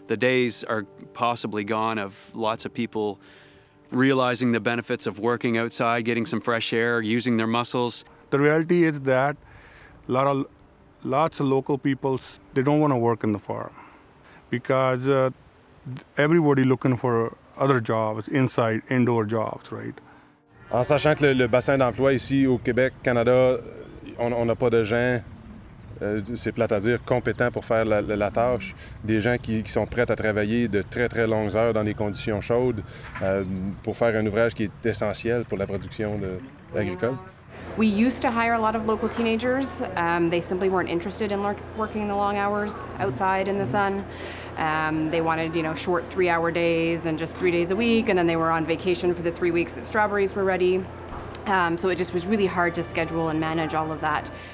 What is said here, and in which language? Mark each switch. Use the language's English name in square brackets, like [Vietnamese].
[English] The days are possibly gone of lots of people realizing the benefits of working outside, getting some fresh air, using their muscles. The reality is that lots of local people, they don't want to work in the farm because everybody looking for other jobs, inside, indoor jobs, right? [French] En sachant que le bassin d'emploi ici au Québec, Canada, on n'a pas de gens, c'est plate à dire, compétents pour faire la tâche. Des gens qui sont prêts à travailler de très, très longues heures dans des conditions chaudes pour faire un ouvrage qui est essentiel pour la production agricole. [English] We used to hire a lot of local teenagers. They simply weren't interested in working the long hours outside in the sun. They wanted, you know, short 3-hour days and just 3 days a week, and then they were on vacation for the 3 weeks that strawberries were ready. So it just was really hard to schedule and manage all of that.